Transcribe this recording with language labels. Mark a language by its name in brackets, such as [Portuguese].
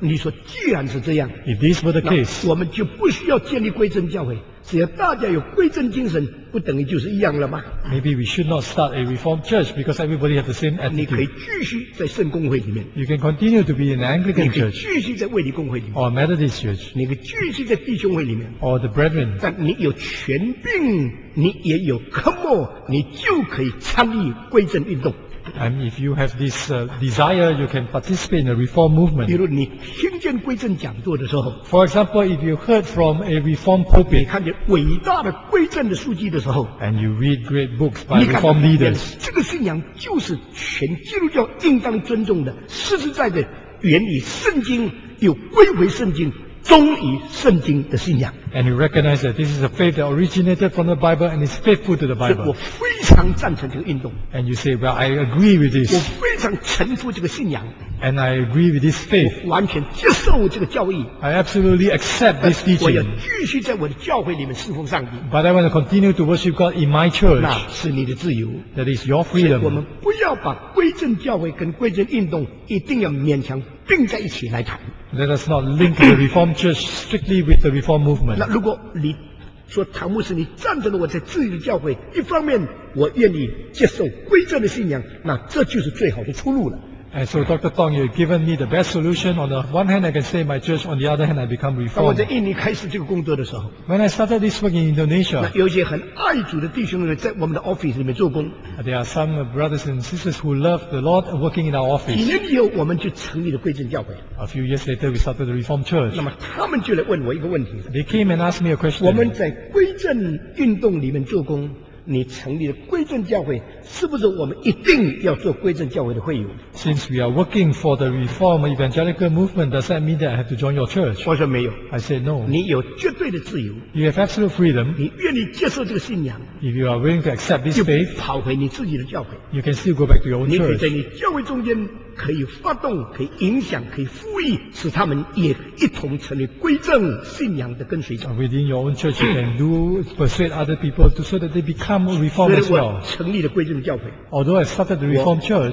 [Chinese] 你说既然是这样 [English] ，If this were the case, [Chinese] 我们就不需要建立归正教会。只要大家有归正精神，不等于就是一样了吗 [English] ？Maybe we should not start a reformed church because everybody has the same attitude. [Chinese] 你可以继续在圣公会里面。 [English] You can continue to be an Anglican church. [Chinese] 继续在卫理公会里面。 [English] Or Methodist church. [Chinese] 你可以继续在弟兄会里面。 [English] Or the brethren. [Chinese] 但你有权柄，你也有科目，你就可以参与归正运动。 [English] And if you have this desire, you can participate in a reform movement. [Chinese] 比如你听见归正讲座的时候 [English] ，For example, if you heard from a reform pulpit, [Chinese] 你看见伟大的归正的书籍的时候 [English] ，And you read great books by reform leaders, [Chinese] 这个信仰就是全基督教应当尊重的，实实在在源于圣经，又归回圣经。忠于圣经的信仰 [English] and you recognize that this is a faith that originated from the Bible and is faithful to the Bible [Chinese] 我非常赞成这个运动 [English] and you say well I agree with this [Chinese] 我非常臣服这个信仰 [English] and I agree with this faith [Chinese] 我完全接受这个教义 [English] I absolutely accept this teaching [Chinese] 我要继续在我的教会里面侍奉上帝 [English] but I want to continue to worship God in my church [Chinese] 那是你的自由 [English] that is your freedom [Chinese] 我们不要把归正教会跟归正运动一定要勉强并在一起来谈 [English] Let us not link the Reform Church strictly with the Reform Movement [Chinese] 那如果你说唐牧师你赞成了我在自己的教会一方面我愿意接受归正的信仰那这就是最好的出路了 [English] And so Dr. Tong you've given me the best solution on the one hand I can stay in my church on the other hand I become Reform [Chinese] 当我在印尼开始这个工作的时候 [English] When I started this work in Indonesia [Chinese] 那有些很爱主的弟兄们在我们的 office 里面做工 [English] There are some brothers and sisters who love the Lord working in our office [Chinese] 几年以后我们就成立了归正教会 [English] A few years later we started the Reform Church [Chinese] 那么他们就来问我一个问题 [English] They came and asked me a question [Chinese] 我们在归正运动里面做工你成立了归正教会是不是我们一定要做归正教会的会员 [English] Since we are working for the Reform Evangelical Movement Does that mean that I have to join your church? [Chinese] 我说没有 [English] I said no [Chinese] 你有绝对的自由 [English] You have absolute freedom [Chinese] 你愿意接受这个信仰 [English] If you are willing to accept this faith [Chinese] 就跑回你自己的教会 [English] You can still go back to your own church [Chinese] 你可以在你教会中间可以发动可以影响可以呼吁使他们也一同成为归正信仰的跟随者 [English] Within your own church you can do persuade other people so that they become reformed as well [Chinese] 所以我成立了归正这个教会。 [English] Although I started the Reformed Church,